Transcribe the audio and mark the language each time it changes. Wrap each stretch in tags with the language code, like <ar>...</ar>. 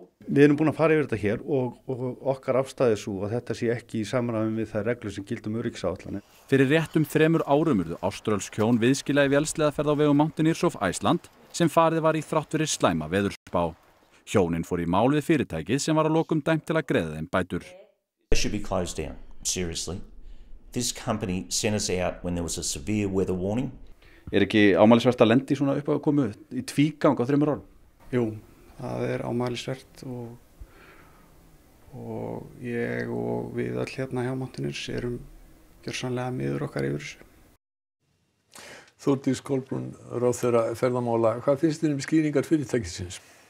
<is>Við erum búin að fara yfir þetta hér og okkar afstæði svo að þetta sé ekki í samræmi við þær reglur sem gildum öryggisáætlanir. Fyrir réttum þremur árum urðu áströlsk hjón viðskila í vélsleðaferð á vegum Mountaineers of Iceland sem farið var í þrátt fyrir slæma veðurspá. Hjónin fór í mál við fyrirtækið sem var að lokum dæmt til að greiða þeim bætur.</is> <en>It should be closed down, seriously. This company sent us out when there was a severe weather warning.</en> <is>Er ekki ámælisvert að lenda í svona uppákomu í tvígang á þremur árum? Jú. Það er ámælisvert og ég og við öll hérna hjá Mountaineers erum gjörsamlega miður okkar yfir þessu. Þórdís Kolbrún, ráðherra ferðamála, hvað finnst þér skýringar fyrirtækisins?</is>